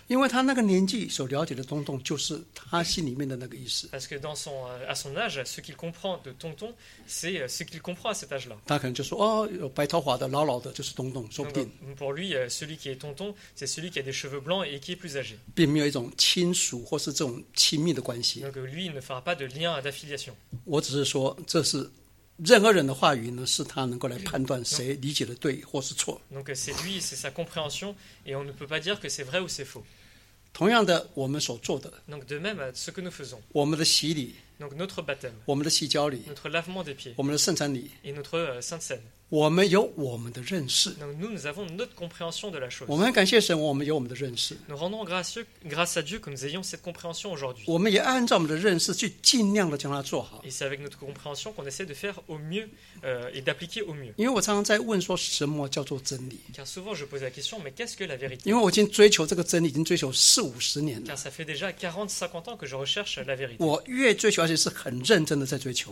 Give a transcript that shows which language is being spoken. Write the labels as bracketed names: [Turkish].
[Chinese] 因为他那个年纪所了解的东东，就是他心里面的那个意思。 [French] Parce que dans son à son âge, ce qu'il comprend de tonton, c'est ce qu'il comprend à cet âge-là. [Chinese] 他可能就说哦，有白头发的老老的，就是东东，说不定。 [French] Donc, pour lui, celui qui est tonton, c'est celui qui a des cheveux blancs et qui est plus âgé. [Chinese] 并没有一种亲属或是这种亲密的关系。 [French] Donc lui, il ne fera pas de lien d'affiliation. [Chinese] 我只是说，这是任何人的话语呢，是他能够来判断谁理解的对或是错。 [French] Donc c'est lui, c'est sa compréhension, et on ne peut pas dire que c'est vrai ou c'est faux. [Chinese] 同样的，我们所做的。 [French] Donc de même, ce que nous faisons. [Chinese] 我们的洗礼。 [French] Donc notre baptême. [Chinese] 我们的洗脚礼。 [French] Notre lavement des pieds. [Chinese] 我们的圣餐礼。 [French] Et notre sainte cène. [Chinese] 我们有我们的认识。 [French] Donc nous avons notre compréhension de la chose. [Chinese] 我们感谢神，我们有我们的认识。 [French] Nous rendons grâce à Dieu que nous ayons cette compréhension aujourd'hui. [Chinese] 我们也按照我们的认识去尽量的将它做好。 [French] Et c'est avec notre compréhension qu'on essaie de faire au mieux et d'appliquer au mieux. [Chinese] 因为我常常在问说什么叫做真理。 [French] Car souvent je pose la question, mais qu'est-ce que la vérité? [Chinese] 因为我已经追求这个真理，已经追求四五十年了。 [French] Car ça fait déjà 40-50 ans que je recherche la vérité. [Chinese] 我越追求，而且是很认真的在追求。